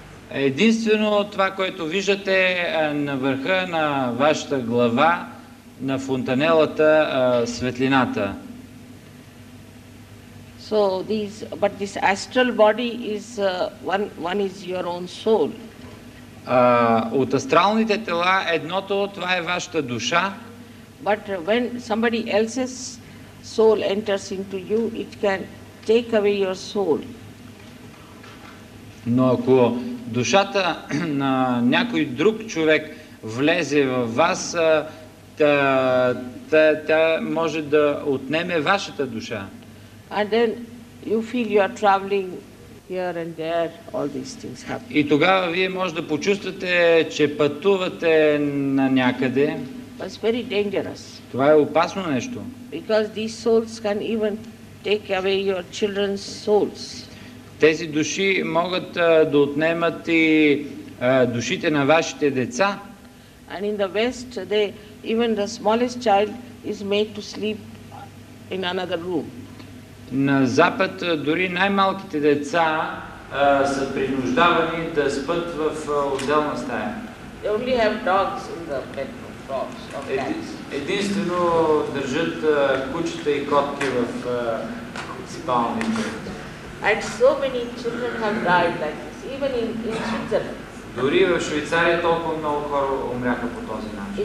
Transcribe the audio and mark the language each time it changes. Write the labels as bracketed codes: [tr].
[bg] Единствено това, което виждате на върха на вашата глава, на фонтанелата светлината. [en] So these, but this astral body is one is your own soul. [bg] От астралните тела едното това е вашата душа. [en] But when somebody else's soul enters into you, it can take away your soul. [bg] Но ако душата на някой друг човек влезе в вас, тя може да отнеме вашата душа. [en] And then you feel you are traveling here and there, all these things happen. [bg] И тогава вие може да почувствате, че пътувате на някъде. [en] It's very dangerous. [bg] Това е опасно нещо. [en] Because these souls can even take away your children's souls. [bg] Тези души могат да отнемат и душите на вашите деца. [en] And in the West, they, even the smallest child is made to sleep in another room. [bg] На Запад дори най-малките деца са принуждавани да спят в отделна стая. [en] They only have dogs in the bedroom, dogs or cats. [bg] Единствено държат кучета и котки в спалните. [en] And so many children have died like this, even in Switzerland. [bg] Дори в Швейцария толкова много хора умряха по този начин.